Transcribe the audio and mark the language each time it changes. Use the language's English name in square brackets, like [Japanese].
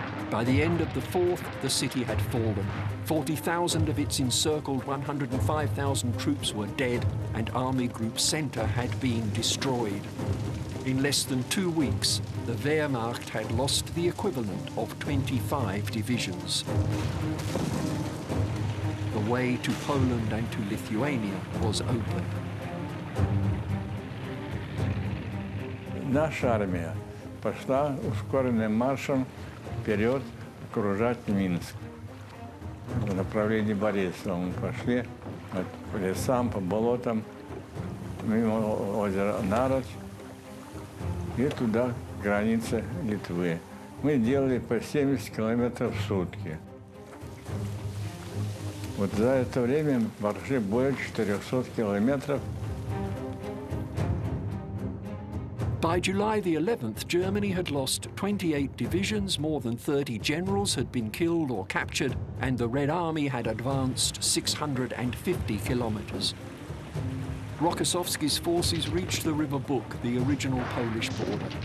[English] By the end of the 4th, the city had fallen. 40,000 of its encircled 105,000 troops were dead, and Army Group Center had been destroyed. In less than 2 weeks, the Wehrmacht had lost the equivalent of 25 divisions. The way to Poland and to Lithuania was open. [Russian] Наша армия пошла ускоренным маршем вперед окружать Минск. В направлении Борисова мы пошли по лесам, по болотам, мимо озера Нарыч и туда к границе Литвы. Мы делали по 70 километров в сутки. Вот за это время прошли более 400 километров. [English] By July the 11th, Germany had lost 28 divisions, more than 30 generals had been killed or captured, and the Red Army had advanced 650 kilometers. Rokossovsky's forces reached the River Bug, the original Polish border.